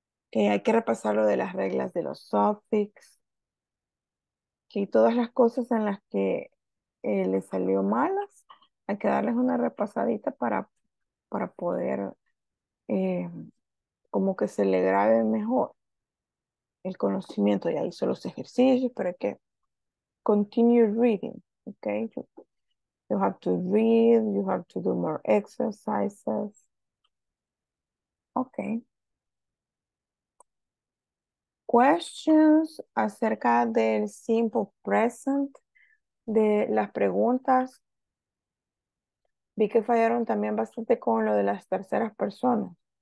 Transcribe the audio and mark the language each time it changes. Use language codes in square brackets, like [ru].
[es] Que hay que repasar lo de las reglas de los suffix. Y todas las cosas en las que le salió malas, hay que darles una repasadita para poder como que se le grabe mejor el conocimiento. Y ahí son los ejercicios, pero hay que [en] continue reading, [es] ¿ok? [en] You have to read, you have to do more exercises. Okay. [es] Questions acerca del simple present, de las preguntas. Vi que fallaron también bastante con lo de las terceras personas.